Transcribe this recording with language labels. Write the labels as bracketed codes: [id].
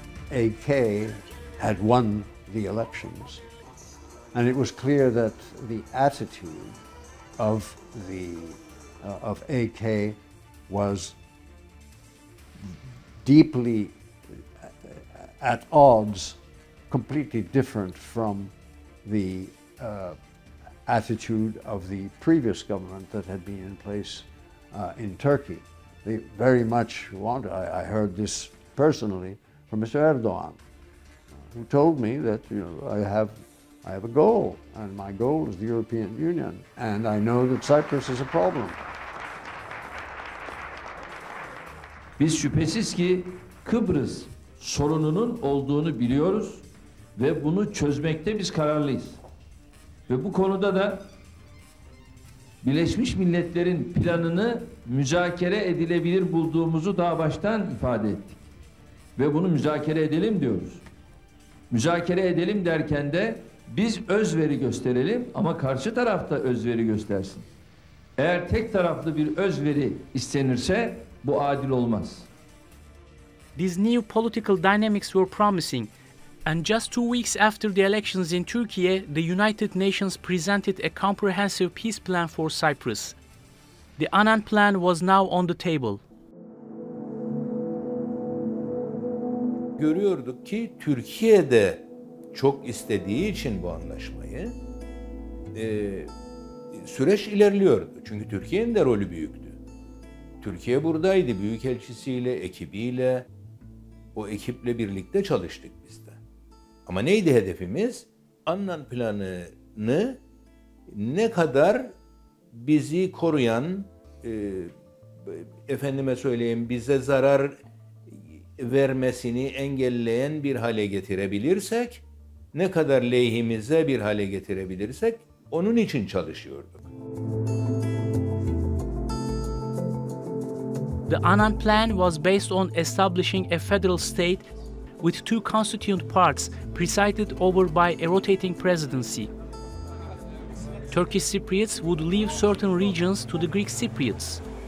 [en] AK had won the elections, and it was clear that the attitude of the of AK was deeply at odds, completely different from the attitude of the previous government that had been in place in Turkey. They very much wanted, I heard this personally from Mr. Erdogan, who told me that, you know, I have a goal, and my goal is the European Union, and I know that Cyprus is a problem. [tr] Biz şüphesiz ki Kıbrıs sorununun olduğunu biliyoruz ve bunu çözmekte biz kararlıyız. Ve bu konuda da Birleşmiş Milletler'in planını müzakere edilebilir bulduğumuzu daha baştan ifade ettik. Ve bunu müzakere edelim diyoruz. Müzakere edelim derken de biz özveri gösterelim ama karşı taraf da özveri göstersin. Eğer tek taraflı bir özveri istenirse bu adil olmaz. [en] These new political dynamics were promising. And just 2 weeks after the elections in Turkey, the United Nations presented a comprehensive peace plan for Cyprus. The Annan Plan was now on the table. [tr] Görüyorduk ki Türkiye'de çok istediği için bu anlaşmayı süreç ilerliyordu. Çünkü Türkiye'nin de rolü büyüktü. Türkiye buradaydı büyükelçisiyle, ekibiyle. O ekiple birlikte çalıştık biz de. Ama neydi hedefimiz? Annan planını ne kadar bizi koruyan, efendime söyleyeyim bize zarar vermesini engelleyen bir hale getirebilirsek, ne kadar lehimize bir hale getirebilirsek onun için çalışıyorduk. [en] The Annan Plan was based on establishing a federal state with two constituent parts presided over by a rotating presidency. Turkish Cypriots would leave certain regions to the Greek Cypriots.